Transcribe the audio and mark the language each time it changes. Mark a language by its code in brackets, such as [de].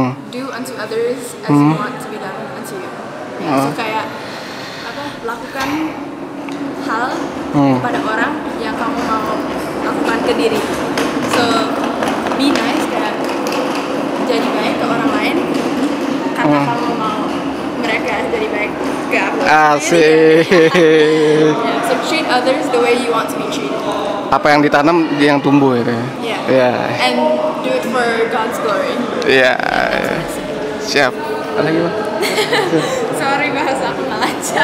[en] Do unto others as you want to be done unto you. [id] Kayak apa? Lakukan hal kepada orang yang kamu mau lakukan ke diri. [en] So be nice, [id] kayak jadi baik ke orang lain karena kamu mau mereka jadi baik ke aku. Asik. [en] So treat others the way you want to be treated. [id] Apa yang ditanam, dia yang tumbuh, gitu. [en] And do it for God's glory. [id] Siap. Ada lagi, Pak? Sorry, bahasa aku malah aja.